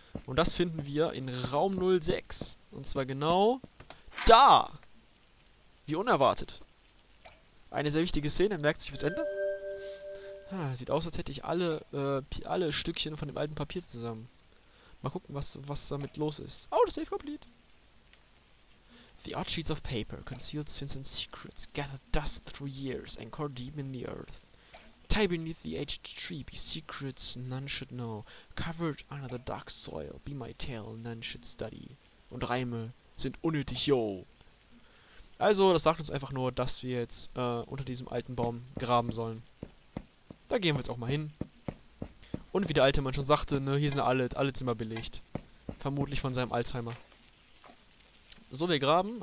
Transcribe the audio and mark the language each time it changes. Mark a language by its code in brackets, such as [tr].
[de] Und das finden wir in Raum 06. Und zwar genau. Da! Wie unerwartet. Eine sehr wichtige Szene, merkt sich fürs Ende. Ah, sieht aus, als hätte ich alle Stückchen von dem alten Papier zusammen. Mal gucken, was damit los ist. Oh, das Safe complete. [en] The odd sheets of paper, concealed sins and secrets, gather dust through years, anchor deep in the earth. Tie beneath the aged tree, be secrets none should know. Covered under the dark soil, be my tale none should study. [de] Und Reime sind unnötig, yo. Also, das sagt uns einfach nur, dass wir jetzt unter diesem alten Baum graben sollen. Da gehen wir jetzt auch mal hin. Und wie der alte Mann schon sagte, ne, hier sind alle Zimmer belegt. Vermutlich von seinem Alzheimer. So, wir graben.